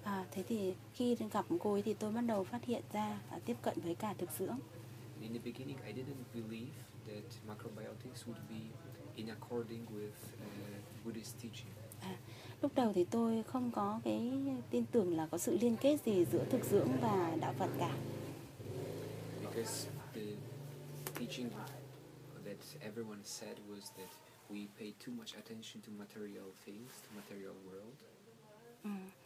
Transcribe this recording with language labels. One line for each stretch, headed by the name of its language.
Vietnamese: Thế thì khi gặp cô ấy thì tôi bắt đầu phát hiện ra và tiếp cận với cả thực dưỡng.
English: In the beginning, I didn't believe that microbiotics would be in according with Buddhist teaching.
Vietnamese: Lúc đầu thì tôi không có cái tin tưởng là có sự liên kết gì giữa thực dưỡng và đạo Phật cả.
English: Because the teaching that everyone said was that we pay too much attention to material things, to material world.